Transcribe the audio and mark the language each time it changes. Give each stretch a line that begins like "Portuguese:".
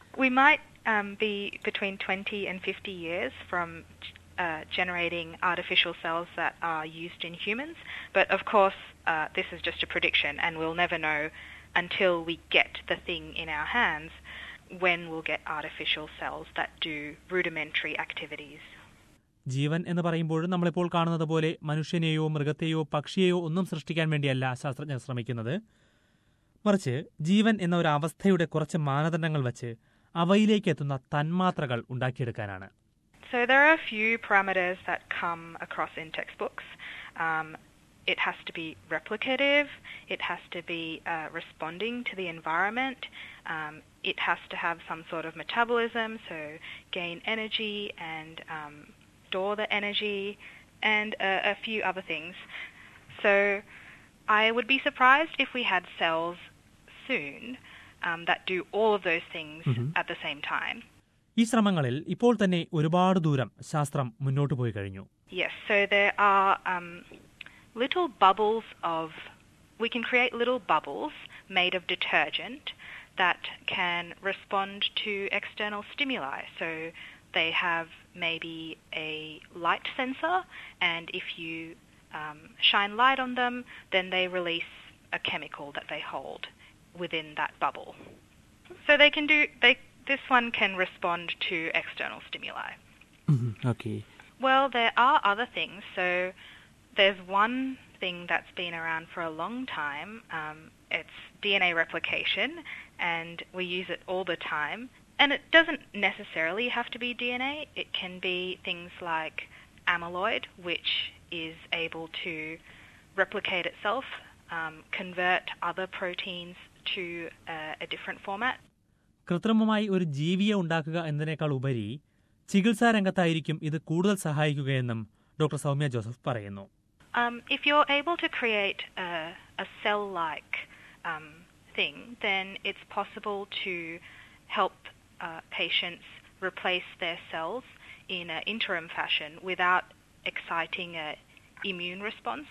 English: We might be between 20 and 50 years from generating artificial cells that are used in humans, but of course this is just a prediction and we'll never know until we get the thing in our hands when we'll get artificial cells that do rudimentary activities.
Malayalam: ജീവൻ എന്ന് പറയുമ്പോൾ നമ്മളിപ്പോൾ കാണുന്നത് പോലെ മനുഷ്യനെയോ മൃഗത്തെയോ പക്ഷിയെയോ ഒന്നും സൃഷ്ടിക്കാൻ വേണ്ടിയല്ല ശാസ്ത്രജ്ഞർ ശ്രമിക്കുന്നത്. മറിച്ച് ജീവൻ എന്ന ഒരു അവസ്ഥയുടെ കുറച്ച് മാനദണ്ഡങ്ങൾ വെച്ച് അവയിലേക്ക് എത്തുന്ന തന്മാത്രകൾ ഉണ്ടാക്കിയെടുക്കാനാണ്.
English: So there are a few parameters that come across in textbooks. It has to be replicative, it has to be responding to the environment, it has to have some sort of metabolism, so gain energy and store the energy, and a few other things. So I would be surprised if we had cells soon that do all of those things at the same time.
Malayalam: ഈ ശ്രമങ്ങളിൽ ഇപ്പോൾ തന്നെ ഒരുപാട് ദൂരം ശാസ്ത്രം മുന്നോട്ട് പോയി കഴിഞ്ഞു.
English: Yes, so there are little bubbles of, we can create little bubbles made of detergent that can respond to external stimuli. So they have maybe a light sensor, and if you shine light on them, then they release a chemical that they hold within that bubble. So they can do, this one can respond to external stimuli. Okay. Well, there are other things. So there's one thing that's been around for a long time. It's DNA replication, and we use it all the time. And it doesn't necessarily have to be DNA. It can be things like amyloid, which is able to replicate itself, convert other proteins to a different format.
Malayalam: കൃത്രിമമായി ഒരു ജീവിയെ ഉണ്ടാക്കുക എന്നതിനേക്കാൾ ഉപരി ചികിത്സാ രംഗത്തായിരിക്കും ഇത് കൂടുതൽ സഹായിക്കുകയെന്നും doctor Soumya Joseph പറയുന്നു.
English: If you're able to create a cell-like thing, then it's possible to help patients replace their cells in an interim fashion without exciting an immune response.